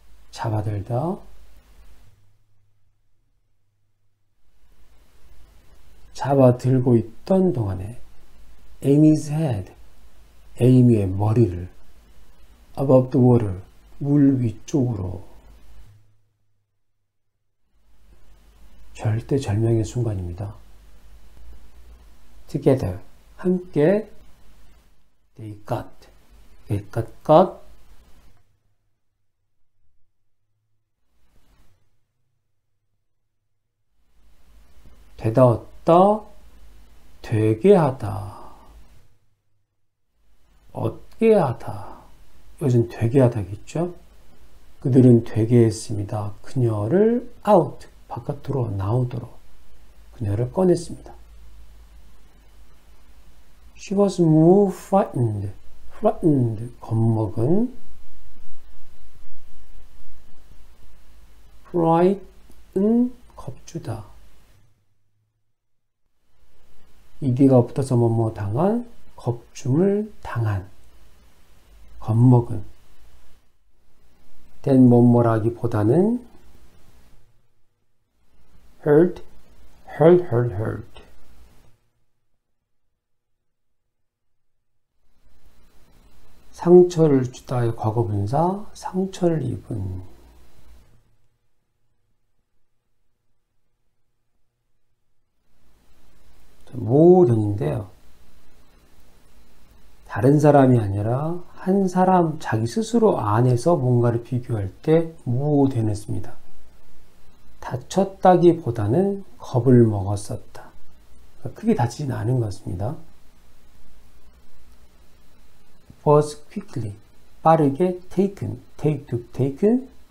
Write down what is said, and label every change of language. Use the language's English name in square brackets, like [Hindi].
[Korean] 잡아들다 잡아들고 있던 동안에 [English] Amy's head, [Korean] 에이미의 머리를 [English] above the water, [Korean] 물 위쪽으로 절대절명의 순간입니다. [English] Together, [Korean] 함께 [English] they got, they got, got. [Korean] 되다왔다, 되게 하다, 얻게 하다. 요즘 되게 하다겠죠? 그들은 되게 했습니다. 그녀를 out, 바깥으로 나오도록 그녀를 꺼냈습니다. [English] She was more frightened, frightened, [Korean] 겁먹은. Fright은 겁주다. ED가 붙어서 뭐뭐 당한, 겁줌을 당한, 겁먹은. 된 뭐뭐라기보다는 [English] hurt, hurt, hurt, hurt. [Korean] 상처를 주다의 과거분사, 상처를 입은. 모든인데요. 다른 사람이 아니라 한 사람 자기 스스로 안에서 뭔가를 비교할 때 모든을 씁니다. 다쳤다기보다는 겁을 먹었었다. 크게 다치진 않은 것 같습니다. [English] Was quickly [Korean] 빠르게 [English] taken, take to taken.